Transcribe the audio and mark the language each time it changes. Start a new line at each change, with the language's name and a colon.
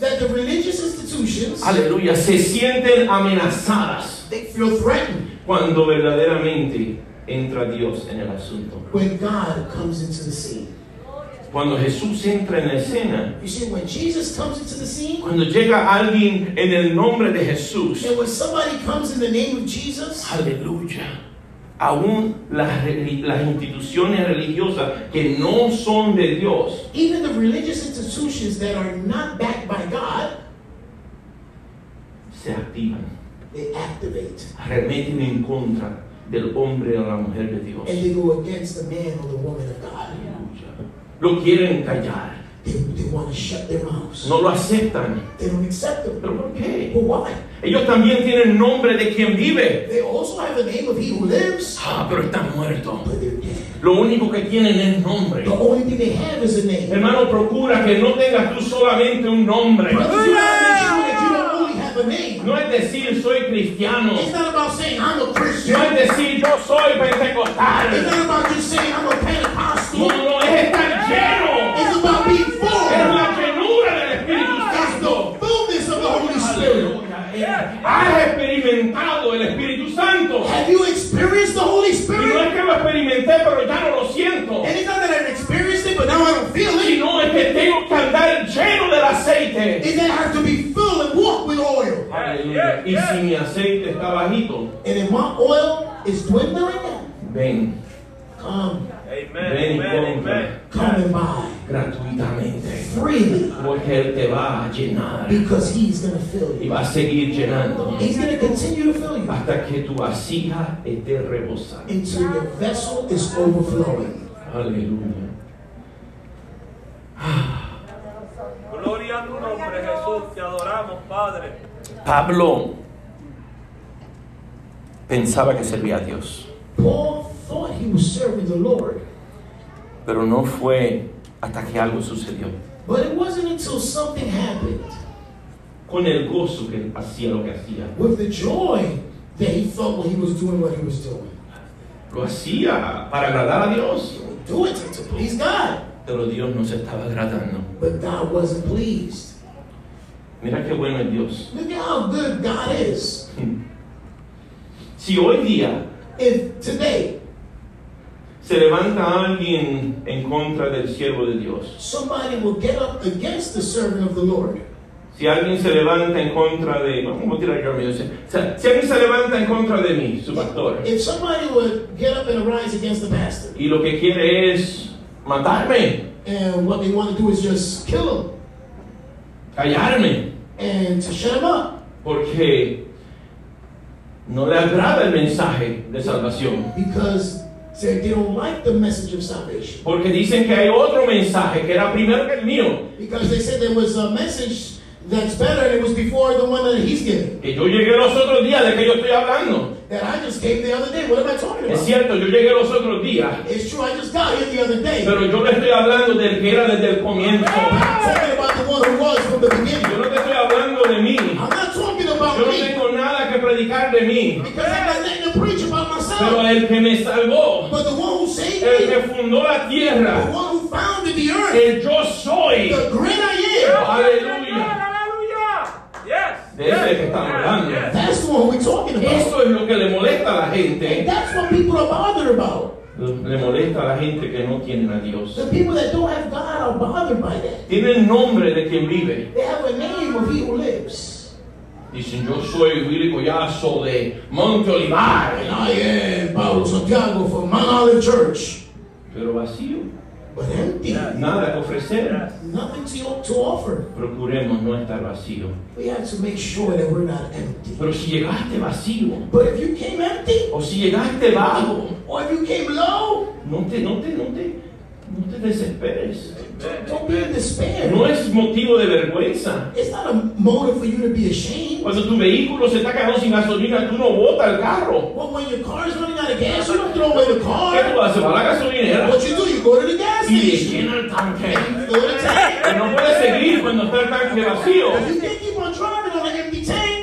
English: that the religious institutions,
Spanish: aleluya, se sienten amenazadas.
English: They feel threatened
Spanish: cuando verdaderamente entra Dios en el asunto.
English: When God comes into the scene.
Spanish: Cuando Jesús entra en la escena.
English: You see, when Jesus comes into the scene.
Spanish: Cuando llega alguien en el nombre de Jesús.
English: And when somebody comes in the name of Jesus.
Spanish: Aleluya. Aún las instituciones religiosas que no son de Dios.
English: Even the religious institutions that are not backed by God.
Spanish: Se activan.
English: They activate.
Spanish: Arremeten en contra del hombre o la mujer de Dios.
English: And they go against the man or the woman of God.
Spanish: Aleluya. Lo quieren callar.
English: They want to shut their mouths.
Spanish: No lo aceptan.
English: They don't accept them.
Spanish: ¿Pero por qué?
English: But why?
Spanish: Ellos también tienen nombre de quien vive.
English: They also have the name of he who lives.
Spanish: Ah, pero están muertos.
English: But they're dead.
Spanish: Lo único que tienen es nombre.
English: The only thing they have is a name.
Spanish: Hermano, procura que no tengas tú solamente un nombre.
English: Brother, you have to make sure that you don't only have a name.
Spanish: No es de decir soy cristiano.
English: It's not about saying I'm a Christian.
Spanish: No es decir yo soy pentecostal.
English: It's not about just saying I'm a Pentecostal.
Spanish: No, es estar lleno.
English: It's about being full.
Spanish: Es la llenura del Espíritu Santo.
English: It's the fullness of the Holy Spirit.
Spanish: Has experimentado el Espíritu Santo.
English: Have you experienced the Holy Spirit?
Spanish: Y no es que lo experimenté, pero ya no lo siento.
English: And it's not that I've experienced it, but now I don't feel it.
Spanish: Sino es que tengo que andar lleno del aceite.
English: Is that I have to be filled and walk with oil.
Spanish: Y si mi aceite está bajito.
English: And if my oil is dwindling,
Spanish: ven.
English: Come.
Spanish: Amen. Ven y amen.
English: Come and buy.
Spanish: Gratuitamente.
English: Freely.
Spanish: Porque él te va a llenar.
English: Because he's going to fill you.
Spanish: Y va a seguir llenando.
English: He's going to continue to fill you.
Spanish: Hasta que tu vasija esté rebosando.
English: Until your vessel is overflowing.
Spanish: Aleluya. Gloria a tu nombre, Jesús. Te adoramos, Padre. Pablo pensaba que servía a Dios.
English: Paul thought he was serving the Lord.
Spanish: Pero no fue hasta que algo sucedió.
English: But it wasn't until something happened.
Spanish: Con el gozo que hacía lo que hacía.
English: With the joy that he felt when he was doing what he was doing.
Spanish: Lo hacía para agradar a Dios.
English: He would do it to please God.
Spanish: Pero Dios no se estaba agradando.
English: But God wasn't pleased.
Spanish: Mira qué bueno es Dios.
English: Look at how good God is.
Spanish: Si hoy día.
English: If today.
Spanish: Se levanta alguien en contra del siervo de Dios.
English: Somebody will get up against the servant of the Lord.
Spanish: Si alguien se levanta en contra de, vamos a tirar yo mío. Si alguien se levanta en contra de mí, su pastor.
English: If somebody would get up and arise against the pastor.
Spanish: Y lo que quiere es matarme.
English: And what they want to do is just kill him.
Spanish: Callarme.
English: And to shut him up.
Spanish: Porque no le agrada el mensaje de salvación.
English: Because they don't like the message of salvation.
Spanish: Porque dicen que hay otro mensaje que era primero que el mío.
English: Because they said there was a message that's better and it was before the one that he's giving.
Spanish: Que yo llegué los otros días de que yo estoy hablando.
English: That I just came the other day. What am I talking about?
Spanish: Es cierto, yo llegué los otros días.
English: It's true, I just got here the other day.
Spanish: Pero yo le estoy hablando del que era desde el comienzo.
English: I'm talking about the one who was from the beginning.
Spanish: Yo no te estoy hablando de mí.
English: I'm not talking about
Spanish: yo
English: me.
Spanish: Yo no tengo nada que predicar de mí.
English: Because I'm not letting you preach about myself.
Spanish: Pero el que me salvó,
English: but the one who saved
Spanish: el que fundó la tierra,
English: the one who founded the earth,
Spanish: el yo soy,
English: the great I am,
Spanish: aleluya, aleluya, yes, de ese que estamos hablando,
English: that's the one we're talking about.
Spanish: Eso es lo que le molesta a la gente.
English: And that's what people are bothered about.
Spanish: Le molesta a la gente que no tienen a Dios.
English: The people that don't have God are bothered by that.
Spanish: Tienen nombre de quien vive.
English: They have a name of he who lives.
Spanish: Dicen, yo soy Willy Collazo de Monte Olivar.
English: And I am Pablo Santiago from Mount Olive Church.
Spanish: Pero vacío.
English: But empty.
Spanish: Nada que ofrecer.
English: Nothing to offer.
Spanish: Procuremos no estar vacío.
English: We have to make sure that we're not empty.
Spanish: Pero si llegaste vacío.
English: But if you came empty.
Spanish: O si llegaste bajo.
English: Or if you came low.
Spanish: No te desesperes.
English: Don't be in despair.
Spanish: No es motivo de vergüenza.
English: It's not a motive for you to be ashamed.
Spanish: Cuando tu vehículo se está quedando sin gasolina, tú no botas el carro.
English: Well, when your car is running out of gas, you don't throw away the car.
Spanish: ¿Qué tú haces para la gasolinera?
English: What you do? You go to the gas station.
Spanish: Y llena el tanque.
English: You fill the tank.
Spanish: Pero no puedes seguir cuando está el tanque vacío.
English: You can't keep on driving on an empty tank.